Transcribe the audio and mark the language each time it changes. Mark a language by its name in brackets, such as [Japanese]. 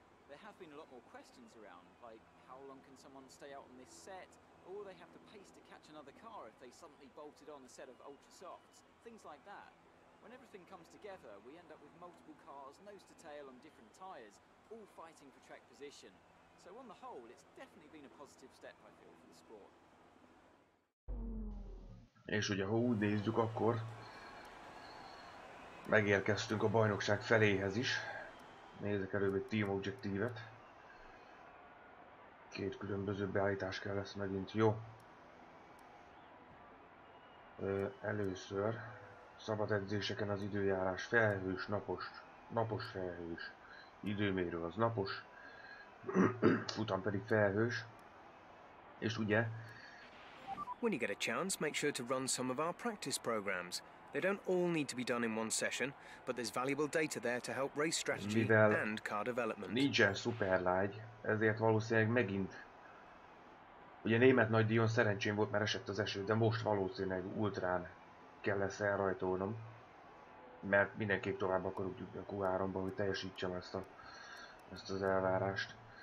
[English] There have been a lot more questions around, like how long can someone stay out on this set, or will they have to pace to catch another car if they suddenly bolted on a set of ultra softs, things like that. When everything comes together, we end up with multiple cars nose to tail on different tyres, all fighting for track position. So on the whole, it's definitely been a positive step, I feel, for the sport. [Hungarian] És ugye, ha úgy nézzük, akkor megérkeztünk a bajnokság feléhez is. Nézzük előbb egy team objektívet. Két különböző beállítás kell lesz megint. Jó. Először szabad edzéseken az időjárás felhős, napos. Napos felhős. Időmérő az napos. Futam pedig felhős. És ugye, [English] when you get a chance, make sure to run some of our practice programs. They don't all need to be done in one session, but there's valuable data there to help race strategy [Hungarian] Mivel [English] and car development. [Hungarian] Nincsen szuperlágy, ezért valószínűleg megint. Ugye német nagy díjon szerencsém volt, mert esett az eső, de most valószínűleg ultrán kell lesz elrajtolnom, mert mindenképp tovább akarok jutni a Q3-ba, hogy teljesítsem ezt az elvárást.